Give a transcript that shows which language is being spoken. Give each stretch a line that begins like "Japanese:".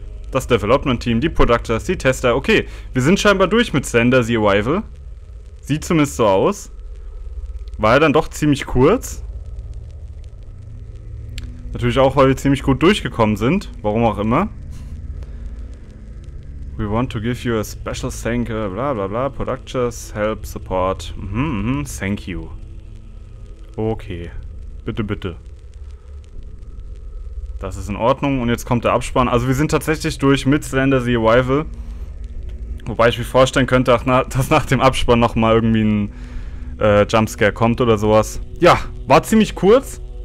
German: Das Development Team, die Productors, die Tester. Okay, wir sind scheinbar durch mit Slender The Arrival. Sieht zumindest so aus. War ja dann doch ziemlich kurz. Natürlich auch, weil wir ziemlich gut durchgekommen sind. Warum auch immer.
English: We want to give you a special thank you, bla bla bla, Productions, help, support, thank you.
German: Okay, bitte, bitte. Das ist in Ordnung und jetzt kommt der Abspann. Also wir sind tatsächlich durch mit Slender The Arrival. Wobei ich mir vorstellen könnte, dass nach dem Abspann nochmal irgendwie ein Jumpscare kommt oder sowas. Ja, war ziemlich kurz.